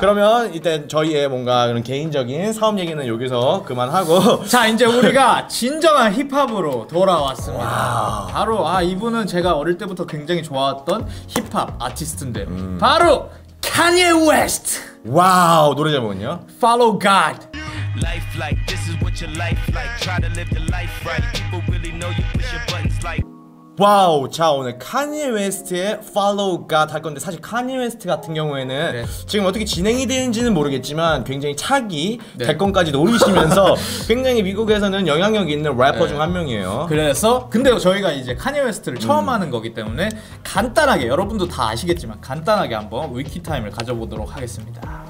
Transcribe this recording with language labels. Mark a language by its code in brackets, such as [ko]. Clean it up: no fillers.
[ko] 그러면 일단 저희의 뭔가 그런 개인적인 사업 얘기는 여기서 그만하고 자 이제 우리가 진정한 힙합으로 돌아왔습니다. 와우. 바로 아 이분은 제가 어릴 때부터 굉장히 좋아했던 힙합 아티스트인데 바로 Kanye West. 와우 노래 제목은요? [en] Follow God. Life like this is what your life like. Try to live the life right. People really know you push your buttons like. [ko] 와우, 자 오늘 카니에 웨스트의 Follow God 할 건데 사실 카니에 웨스트 같은 경우에는 네. 지금 어떻게 진행이 되는지는 모르겠지만 굉장히 차기 네. 대권까지 노리시면서 굉장히 미국에서는 영향력 있는 래퍼 네. 중 한 명이에요. 그래서 근데 저희가 이제 카니에 웨스트를 처음 하는 거기 때문에 간단하게 여러분도 다 아시겠지만 간단하게 한번 위키 타임을 가져보도록 하겠습니다.